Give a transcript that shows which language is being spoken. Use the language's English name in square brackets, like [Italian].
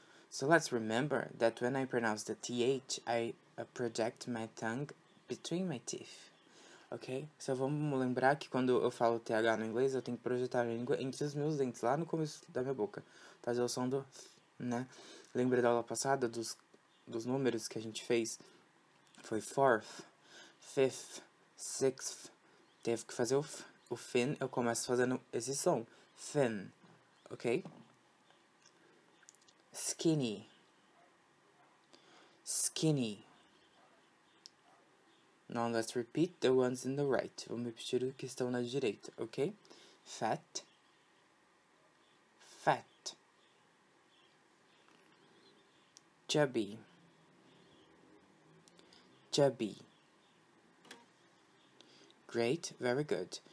[English] So let's remember that when I pronounce the TH, I project my tongue between my teeth. Ok? [Portuguese] So vamos lembrar que quando eu falo TH no inglês, eu tenho que projetar a língua entre os meus dentes, lá no começo da minha boca. Fazer o som do th, né? Lembra da aula passada dos números que a gente fez? Foi [English] fourth, fifth, sixth. [Portuguese] Teve que fazer o thin, eu começo fazendo esse som. [English] Thin. Ok? Skinny. Skinny. Now let's repeat the ones in the right. [Portuguese] Vamos repetir os que estão na direita, ok? [English] Fat. Fat. Chubby. Chubby. Great, very good.